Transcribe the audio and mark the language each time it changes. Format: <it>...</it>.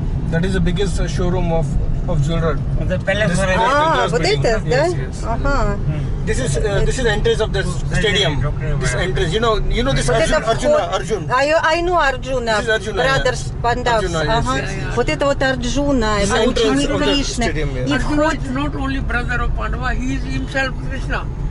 <en>That is the biggest showroom of jewelry.</en> <ru>Вот это, да? Ага.</ru> <en>This is entrance of the stadium. This entrance, you know this Arjun. I know Arjuna. This is Arjuna. Brothers, Pandavas. Arjuna, yes, yes.</en> <ru>Вот это вот Арджуна, это ученик Кришны.</ru> <en>Arjuna is not only brother of Pandava, he is himself Krishna.</en>